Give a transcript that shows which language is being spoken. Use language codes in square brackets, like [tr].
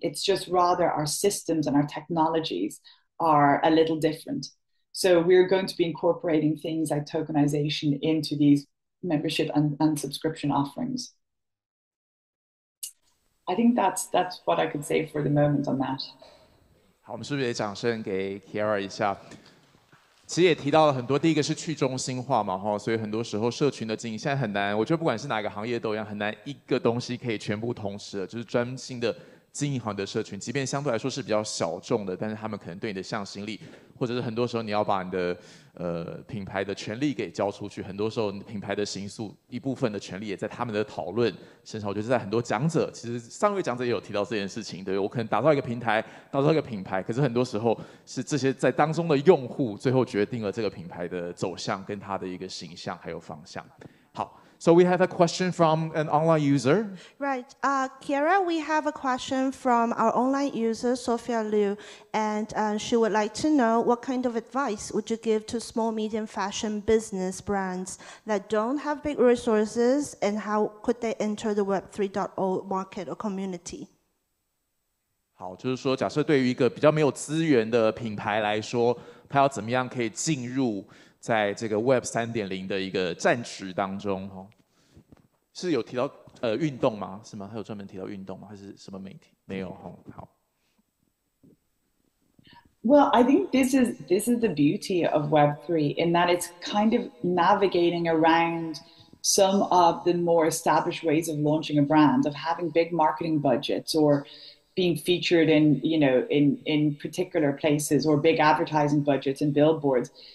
[en] It's just rather our systems and our technologies are a little different. So we're going to be incorporating things like tokenization into these membership and subscription offerings. I think that's what I could say for the moment on that. [zh] 好，我们是不是也掌声给 Kiara 一下？其实也提到了很多，第一个是去中心化嘛，所以很多时候社群的经营现在很难，我觉得不管是哪个行业都一样，很难一个东西可以全部同时的，就是专心的经营好你的社群，即便相对来说是比较小众的，但是他们可能对你的向心力，或者是很多时候你要把你的品牌的权力给交出去，很多时候你的品牌的行塑一部分的权力也在他们的讨论身上。我觉得在很多讲者，其实上位讲者也有提到这件事情，对，我可能打造一个平台，打造一个品牌，可是很多时候是这些在当中的用户最后决定了这个品牌的走向跟它的一个形象还有方向。 [en] 好。So we have a question from an online user. Right, Kiara, we have a question from our online user, Sophia Liu, and she would like to know what kind of advice would you give to small, medium fashion business brands that don't have big resources, and how could they enter the Web3.0 market or community? [zh] 好，就是说，假设对于一个比较没有资源的品牌来说，它要怎么样可以进入？在这个 Web 3.0的一个战局当中，是有提到运动吗？是吗？还有专门提到运动吗？还是什么媒体？没有哈，好。 [en] Well, I think this is the beauty of Web3 in that it's kind of navigating around some of the more established ways of launching a brand, of having big marketing budgets or being featured in, you know, in particular places or big advertising budgets and billboards.